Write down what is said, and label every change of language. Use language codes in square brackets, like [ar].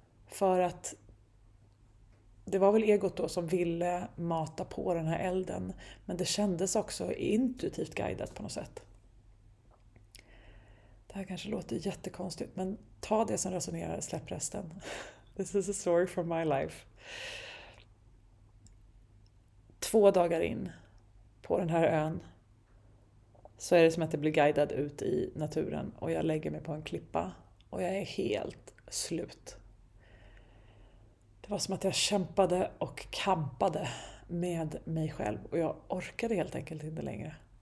[sv] För att det var väl egot då som ville mata på den här elden. Men det kändes också intuitivt guidat på något sätt. Det här kanske låter jättekonstigt, men ta det som resonerar, släpp resten. [en] This is a story from my life. [sv] 2 dagar in på den här ön så är det som att jag blir guidad ut i naturen och jag lägger mig på en klippa och jag är helt slut. Det var som att jag kämpade och kampade med mig själv och jag orkade helt enkelt inte längre.